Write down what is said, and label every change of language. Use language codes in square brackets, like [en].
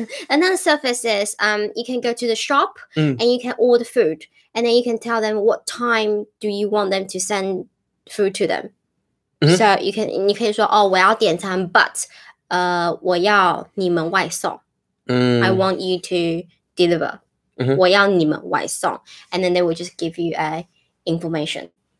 [en] Another surface is you can go to the shop and you can order food and then you can tell them what time do you want them to send food to them。 So you [zh] can 你可以说哦，我要点餐 ，but我要你们外送。 [en] I want you to deliver. [zh] 我要你们外送。 [en] And then they will just give you information.